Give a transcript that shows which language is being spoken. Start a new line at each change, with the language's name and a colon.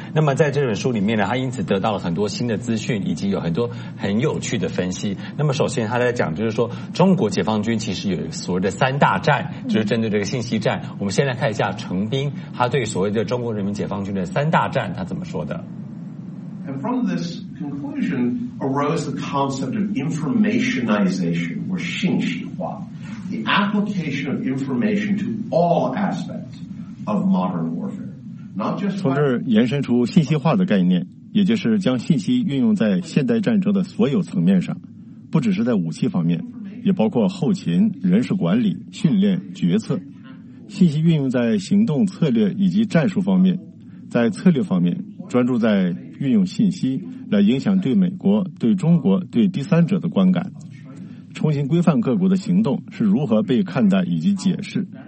Chinese: 那么在这本书里面呢，他因此得到了很多新的资讯，以及有很多很有趣的分析。那么首先他在讲，就是说中国解放军其实有所谓的三大战，就是针对这个信息战。我们先来看一下程斌他对所谓的中国人民解放军的三大战他怎么说的。
English: And from this conclusion arose the concept of informationization, or 信息化, the application of information to all aspects of modern warfare. Not just
Chinese: 从这儿延伸出信息化的概念，也就是将信息运用在现代战争的所有层面上，不只是在武器方面，也包括后勤、人事管理、训练、决策。信息运用在行动策略以及战术方面，在策略方面专注在运用信息来影响对美国、对中国、对第三者的观感，重新规范各国的行动是如何被看待以及解释。